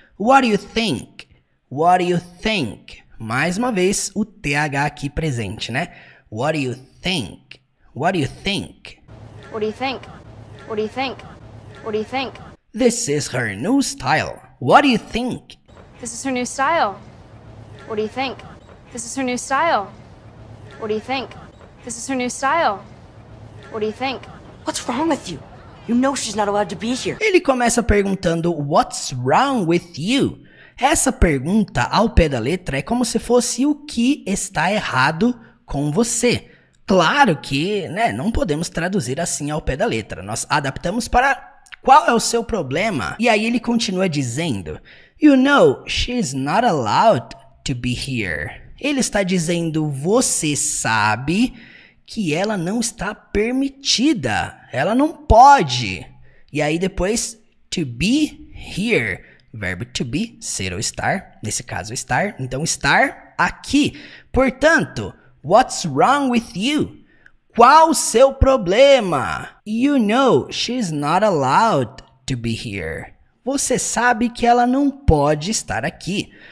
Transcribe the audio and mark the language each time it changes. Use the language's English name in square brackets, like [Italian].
[English] What do you think, what do you think. [Portuguese] Mais uma vez, o TH aqui presente, né? [English] What do you think, what do you think. What do you think, what do you think, what do you think. This is her new style, what do you think. This is her new style, what do you think. This is her new style, what do you think. This is her new style, what do you think. What's wrong with you? You know she's not allowed to be here. [Portuguese] Ele começa perguntando, [English] what's wrong with you? [Portuguese] Essa pergunta, ao pé da letra, é como se fosse o que está errado com você. Claro que, né, não podemos traduzir assim ao pé da letra. Nós adaptamos para qual é o seu problema. E aí ele continua dizendo, [English] you know, she's not allowed to be here. [Portuguese] Ele está dizendo, você sabe... que ela não está permitida, ela não pode. E aí depois, [English] to be here, [Portuguese] verbo to be, ser ou estar, nesse caso estar, então estar aqui. Portanto, [English] what's wrong with you? [Portuguese] Qual o seu problema? [English] You know, she's not allowed to be here. [Portuguese] Você sabe que ela não pode estar aqui.